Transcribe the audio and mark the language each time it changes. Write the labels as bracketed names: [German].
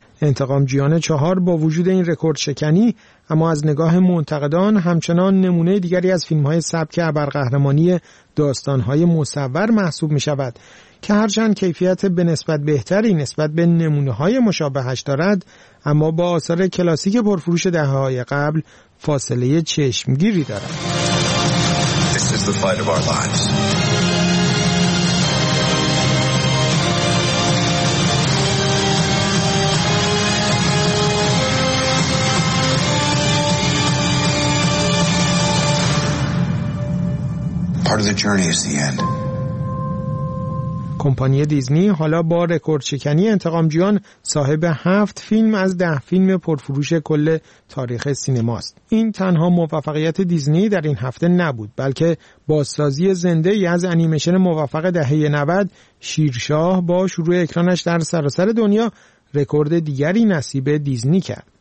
[Persian] انتقام جویان 4 با وجود این رکورد شکنی، اما از نگاه منتقدان همچنان نمونه دیگری از فیلم‌های سبک ابرقهرمانی داستان‌های مصور محسوب می‌شود که هرچند کیفیت به نسبت بهتری نسبت به نمونه‌های مشابهش دارد، اما با آثار کلاسیک پرفروش دهه‌های قبل فاصله چشمگیری دارد. [English] This is the fight of our lives. Part of the journey is the end. [Persian] کمپانی دیزنی حالا با رکوردشکنی انتقام جویان صاحب 7 فیلم از 10 فیلم پرفروش کل تاریخ سینماست. این تنها موفقیت دیزنی در این هفته نبود، بلکه بازسازی زنده ای از انیمیشن موفق دهه 90 شیرشاه با شروع اکرانش در سراسر دنیا رکورد دیگری نصیب دیزنی کرد.